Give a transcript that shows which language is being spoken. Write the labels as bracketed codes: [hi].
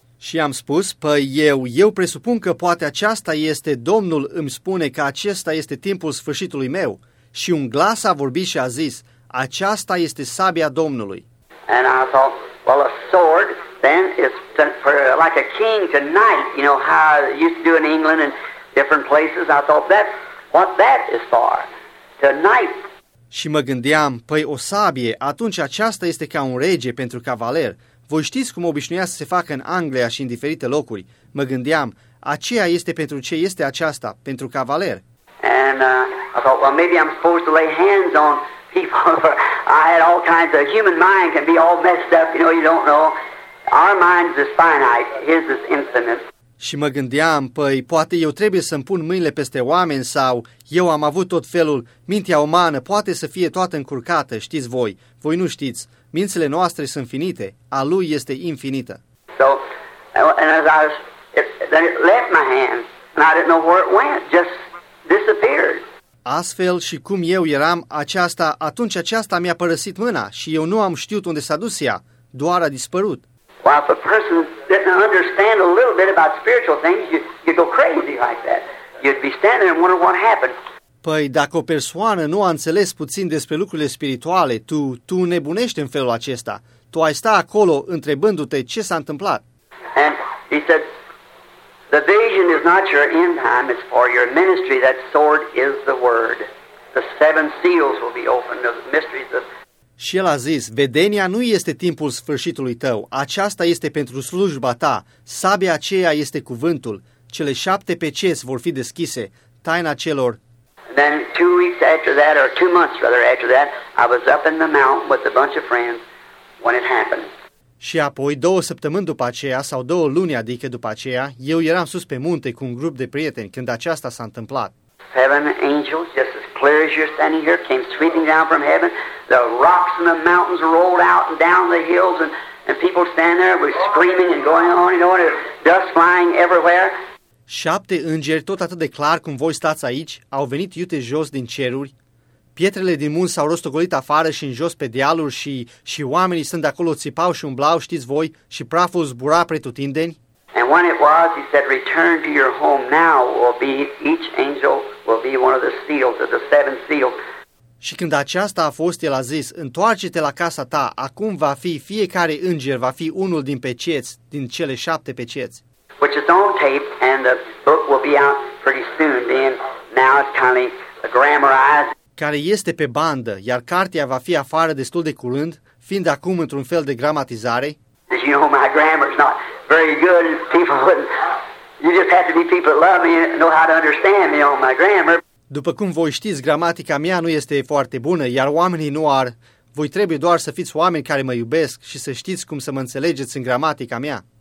[ro] Și am spus, păi eu presupun că poate aceasta este Domnul îmi spune că acesta este timpul sfârșitului meu. Și un glas a vorbit și a zis, aceasta este sabia Domnului. [en] And I thought, well, a sword then is for like a king to knight, you know, how they used to do in England and different places. I thought, that's what that is for, to knight. [ro] Și mă gândeam, păi o sabie, atunci aceasta este ca un rege pentru cavaler. Voi știți cum obișnuia să se facă în Anglia și în diferite locuri. Mă gândeam, aceea este pentru ce este aceasta, pentru cavaler. [en] And I thought, well, maybe I'm supposed to lay hands on people. I had all kinds of human mind can be all messed up, you know, you don't know. Our minds is finite, his is infinite. [ro] Și mă gândeam, păi, poate eu trebuie să-mi pun mâinile peste oameni sau eu am avut tot felul, mintea umană poate să fie toată încurcată, știți voi, voi nu știți. Mințile noastre sunt finite, a lui este infinită. [en] So, and as I was, then it left my hand, and I didn't know where it went, just disappeared. [ro] Astfel și cum eu eram, atunci aceasta mi-a părăsit mâna și eu nu am știut unde s-a dus ea, doar a dispărut. [en] Well, if a person didn't understand a little bit about spiritual things, you'd go crazy like that. You'd be standing there and wondering what happened. [ro] Păi, dacă o persoană nu a înțeles puțin despre lucrurile spirituale, tu nebunești în felul acesta. Tu ai sta acolo întrebându-te ce s-a întâmplat. [en] And he said, the vision is not your end time, it's for your ministry. That sword is the word. The seven seals will be opened of the mysteries of... [ro] Și el a zis, vedenia nu este timpul sfârșitului tău, aceasta este pentru slujba ta, sabia aceea este cuvântul, cele șapte peceți vor fi deschise, taina celor. [en] Then 2 weeks after that, or 2 months rather after that, I was up in the mountain with a bunch of friends when it happened. [ro] Și apoi, 2 săptămâni după aceea, sau 2 luni, adică după aceea, eu eram sus pe munte cu un grup de prieteni când aceasta s-a întâmplat. [en] Seven angels, just as clear as you're standing here, came sweeping down from heaven. The rocks and the mountains rolled out and down the hills, and people stand there were screaming and going on and on, dust flying everywhere. [ro] 7 îngeri, tot atât de clar cum voi stați aici, au venit iute jos din ceruri. Pietrele din munți s-au rostogolit afară și în jos pe dealuri și oamenii stând acolo țipau și umblau, știți voi, și praful zbura pretutindeni. [en] And when it was, he said, return to your home now, will be, each angel will be one of the seals, of the seven seals. [ro] Și când aceasta a fost, el a zis, întoarce-te la casa ta, acum va fi, fiecare înger va fi unul din peceți, din cele 7 peceți. [en] Which is on tape, and the book will be out pretty soon, being now it's kind of grammarized. [ro] Care este pe bandă, iar cartea va fi afară destul de curând, fiind acum într-un fel de gramatizare. [en] As you know, my grammar's not... very good people. You just have to be people that love me and know how to understand me on my grammar. [ro] După cum voi știți, gramatica mea nu este foarte bună, iar oamenii nu ar. Voi trebuie doar să fiți oameni care mă iubesc și să știți cum să mă înțelegeți în gramatica mea.